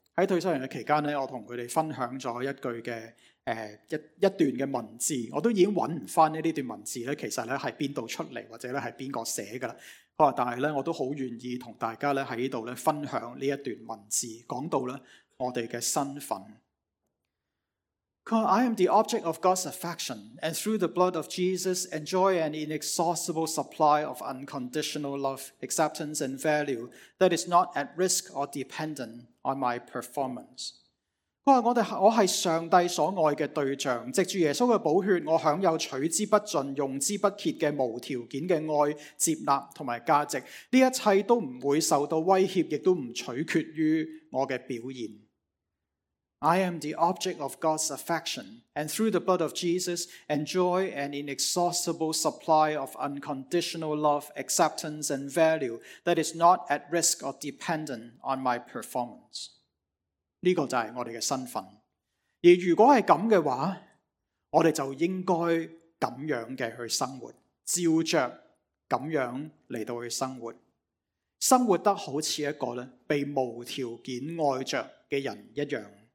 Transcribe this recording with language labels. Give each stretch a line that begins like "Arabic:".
Chinese: 在退休营的期间，我跟他们分享了一句的一段的文字，我都已经找不回这段文字其实是哪里出来或者是哪个写的，但是我都很愿意跟大家在这里分享这一段文字，讲到我们的身份。他说
English: I am the object of God's affection and through the blood of Jesus enjoy an inexhaustible supply of unconditional love, acceptance and value that is not at risk or dependent on my performance。
Chinese: 我是上帝所爱的对象，藉着耶稣的宝血我享有取之不尽用之不竭的无条件的爱、接纳和价值，这一切都不会受到威胁，也都不取决于我的表现。
English: I am the object of God's affection and through the blood of Jesus enjoy an inexhaustible supply of unconditional love, acceptance and value that is not at risk or dependent on my performance。
Chinese: 这个就是我们的身份。而如果是这样的话，我们就应该这样的去生活，照着这样来到去生活。生活得好像一个被无条件爱着的人一样。